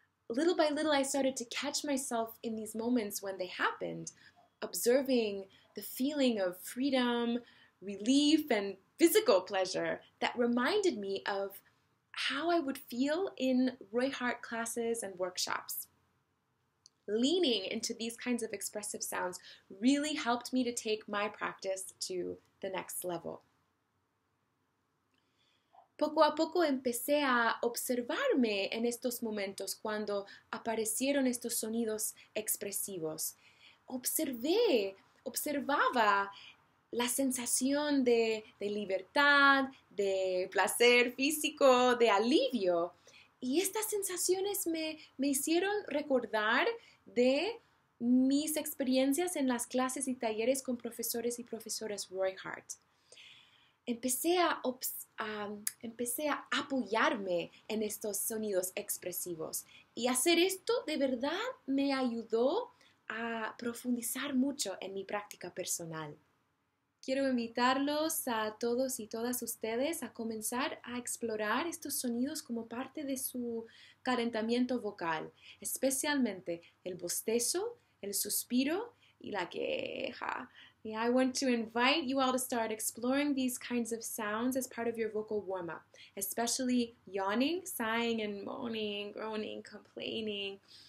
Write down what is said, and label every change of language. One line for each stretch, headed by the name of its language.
English: Little by little, I started to catch myself in these moments when they happened, observing the feeling of freedom, relief, and physical pleasure that reminded me of how I would feel in Roy Hart classes and workshops. Leaning into these kinds of expressive sounds really helped me to take my practice to the next level.
Spanish: Poco a poco empecé a observarme en estos momentos cuando aparecieron estos sonidos expresivos. Observaba la sensación de libertad, de placer físico, de alivio. Y estas sensaciones me hicieron recordar de mis experiencias en las clases y talleres con profesores y profesoras Roy Hart. Empecé a apoyarme en estos sonidos expresivos. Y hacer esto de verdad me ayudó a profundizar mucho en mi práctica personal. Quiero invitarlos a todos y todas ustedes a comenzar a explorar estos sonidos como parte de su calentamiento vocal, especialmente el bostezo, el suspiro y la queja.
English: Yeah, I want to invite you all to start exploring these kinds of sounds as part of your vocal warm-up, especially yawning, sighing, and moaning, groaning, complaining.